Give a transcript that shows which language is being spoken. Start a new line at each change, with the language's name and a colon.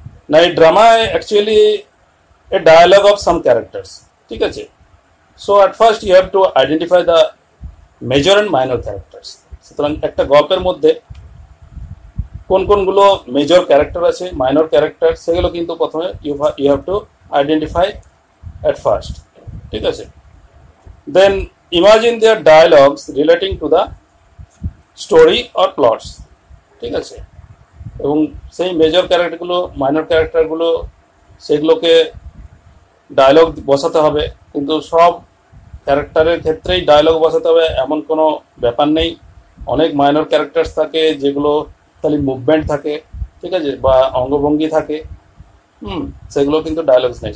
Bangla: না, এই ড্রামায় actually
English: a dialogue of some characters,
Bangla: ঠিক আছে,
English: So at first you have to identify the major and minor characters.
Bangla: সুতরাং একটা গল্পের মধ্যে কোন কোনগুলো মেজর ক্যারেক্টার আছে, মাইনর ক্যারেক্টার, সেগুলো কিন্তু প্রথমে
English: you have to identify at first,
Bangla: ঠিক আছে।
English: Then imagine their dialogues relating to the story or plots.
Bangla: ঠিক আছে, এবং সেই মেজর ক্যারেক্টারগুলো মাইনর ক্যারেক্টারগুলো সেগুলোকে ডায়লগ বসাতে হবে, কিন্তু সব ক্যারেক্টারের ক্ষেত্রেই ডায়লগ বসাতে হবে এমন কোনো ব্যাপার নেই। অনেক মাইনর ক্যারেক্টার্স থাকে যেগুলো খালি মুভমেন্ট থাকে, ঠিক আছে, বা অঙ্গভঙ্গি থাকে, সেগুলো কিন্তু ডায়লগস নেই।